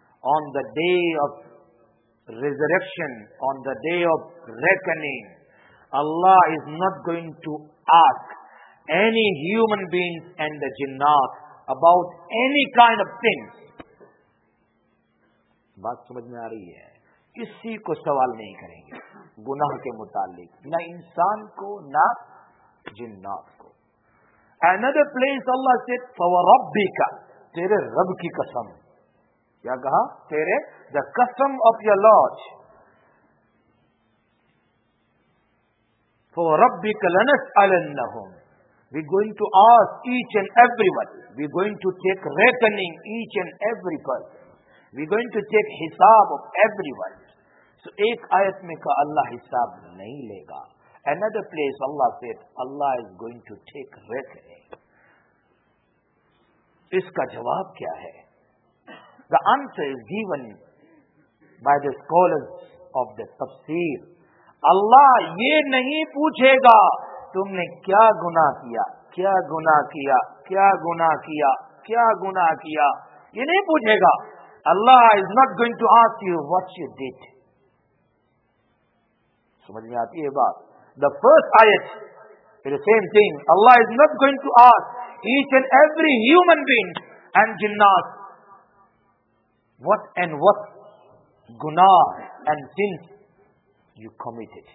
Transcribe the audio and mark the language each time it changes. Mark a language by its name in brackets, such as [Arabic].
[English] On the day of resurrection, on the day of reckoning, Allah is not going to ask any human beings and the jinnat about any kind of things. [Urdu] بات سمجھ میں آ رہی ہے, کسی کو سوال نہیں کریں گے گناہ کے متعلق, نہ انسان کو نہ جنات کو. [English] Another place Allah said فَوَرَبِّكَ, [Urdu] تیرے رب کی قسم. کیا کہا؟ تیرے [English] the custom of your lord. [Arabic] فَوَرَبِّكَ لَنَسْأَلَنَّهُمْ, [English] we going to ask each and everybody, we going to take reckoning each and every person, we going to take hisab of everyone. So [Urdu] ek ayat mein ka Allah hisab nahi lega. [English] Another place Allah said Allah is going to take reckoning. [Urdu] Iska jawab kya hai? [English] The answer is given by the scholars of the tafsir. [Urdu] Allah ye nahi puchega تم نے کیا گناہ کیا, کیا گناہ کیا, کیا گناہ کیا, کیا گناہ کیا, یہ نہیں پوچھے گا. [English] Allah is not going to ask you what you did. [Urdu] سمجھ میں آتی ہے بات. [English] The first ayat, the same thing. Allah is not going to ask each and every human being and jinnat what guna and sin you committed.